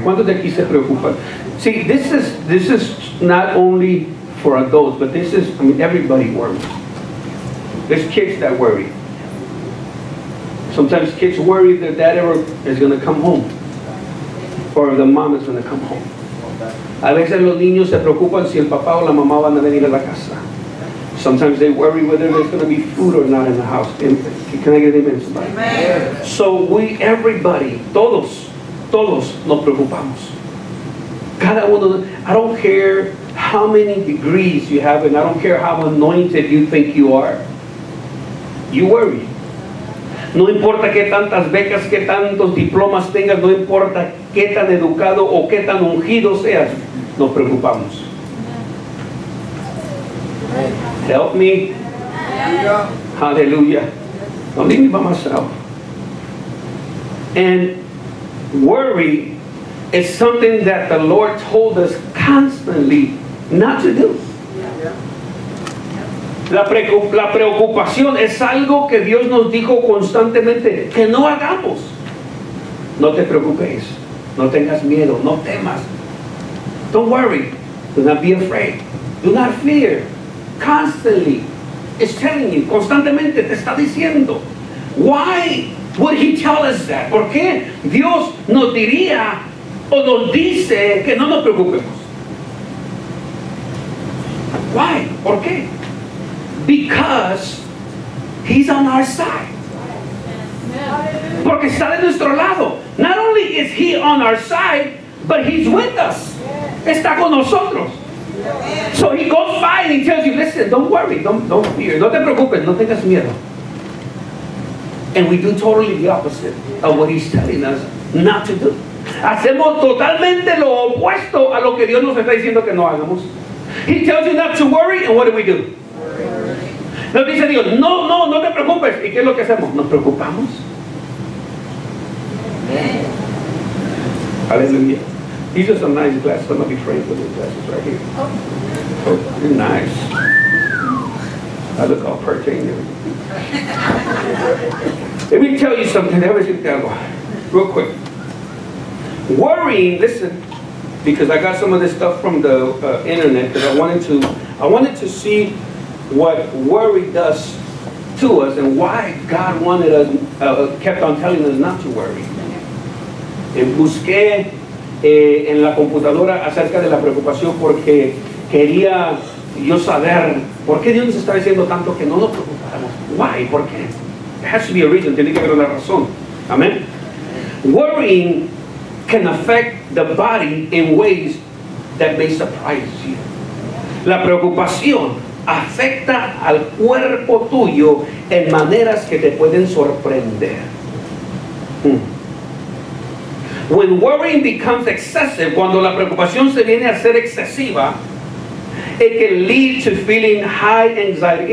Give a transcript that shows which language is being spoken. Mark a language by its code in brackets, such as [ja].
[es] ¿Cuántos de aquí se preocupan? [en] See, this is not only for adults, but this is, I mean, everybody worries. There's kids that worry. Sometimes kids worry that dad ever is going to come home, or the mom is going to come home. [es] A veces los niños se preocupan si el papá o la mamá van a venir a la casa. [en] Sometimes they worry whether there's going to be food or not in the house. Can I get an amen, somebody? Amen. So we, everybody, [es] todos nos preocupamos. Cada uno, [en] I don't care how many degrees you have, and I don't care how anointed you think you are. You worry. [es] No importa qué tantas becas, qué tantos diplomas tengas, no importa qué tan educado o qué tan ungido seas, nos preocupamos. [en] Help me. Hallelujah. Don't leave me by myself. And worry is something that the Lord told us constantly not to do. [es] La preocupación es algo que Dios nos dijo constantemente que no hagamos. No te preocupes. No tengas miedo. No temas. [en] Don't worry. Do not be afraid. Do not fear. Constantly. It's telling you. [es] Constantemente te está diciendo. [en] Why would he tell us that? [es] ¿Por qué Dios nos diría o nos dice que no nos preocupemos? [en] Why? [es] ¿Por qué? [en] Because he's on our side. [es] Porque está de nuestro lado. [en] Not only is he on our side, but he's with us. [es] Está con nosotros. [en] So he goes by and he tells you, listen, don't worry, don't fear. [es] No te preocupes, no tengas miedo. [en] And we do totally the opposite of what he's telling us not to do. [es] Hacemos totalmente lo opuesto a lo que Dios nos está diciendo que no hagamos. [en] He tells you not to worry, and what do? [es] Nos dice Dios, no te preocupes. ¿Y qué es lo que hacemos? Nos preocupamos. [en] Aleluya. These are some nice glasses. I'm not afraid of these glasses right here. Oh, they're nice. I look all perky and everything. Let me tell you something, there was a devil. Real quick. Worrying, listen, because I got some of this stuff from the internet, because I wanted to see what worry does to us and why God wanted us, kept on telling us not to worry. [es] En busqué en la computadora acerca de la preocupación porque quería yo saber por qué Dios nos está diciendo tanto que no nos preocupáramos. [en] Why? [es] ¿Por qué? [en] It has to be a reason. [es] Tiene que haber una razón. [en] Amen. Worrying can affect the body in ways that may surprise you. [es] La preocupación afecta al cuerpo tuyo en maneras que te pueden sorprender. [en] When worrying becomes excessive, [es] cuando la preocupación se viene a ser excesiva, [en] it can lead to feeling high anxiety.